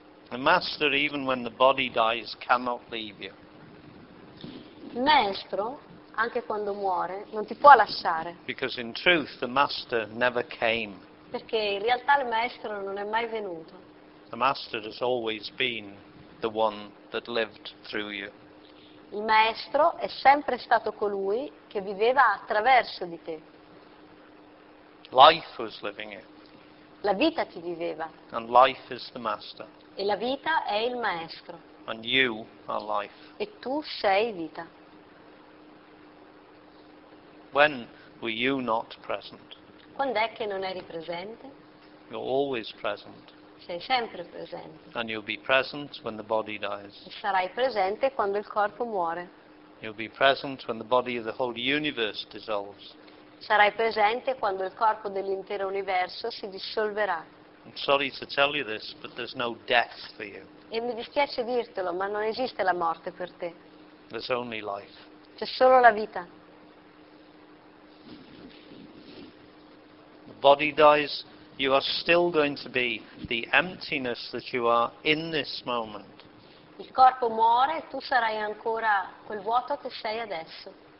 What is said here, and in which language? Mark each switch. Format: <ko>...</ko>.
<en>The master, even when the body dies, cannot leave you.</en> <it>Maestro, anche quando muore, non ti può lasciare.</it> <en>Because in truth the master never came.</en> <it>Perché in realtà il maestro non è mai venuto.</it> <en>The master has always been the one that lived through you.</en> <it>Il maestro è sempre stato colui che viveva attraverso di te.</it> <en>Life was living you.</en> <it>La vita ti viveva. E</it> <en>And life is the master.</en> <it>la vita è il maestro.</it> <en>And you are life.</en> <it>E tu sei vita.</it> <en>When were you not present?</en> <it>Quando è che non eri presente?</it> <en>You're always present.</en> <it>Sei sempre presente.</it> <en>And you'll be present when the body</en> <it>E</it> <en>dies.</en> <it>sarai presente quando il corpo muore.</it> <en>You'll be present when the body of the whole universe dissolves.</en> <it>Sarai presente quando il corpo dell'intero universo si dissolverà. E</it> <en>I'm sorry to tell you this, but there's no death for you.</en> <it>mi dispiace dirtelo, ma non esiste la morte per te.</it> <en>There's only life.</en> <it>C'è solo la vita.</it> <en>Body dies, you are still going to be the emptiness that you are in this moment.</en> <it>Il corpo muore e tu sarai ancora quel vuoto che sei adesso,</it>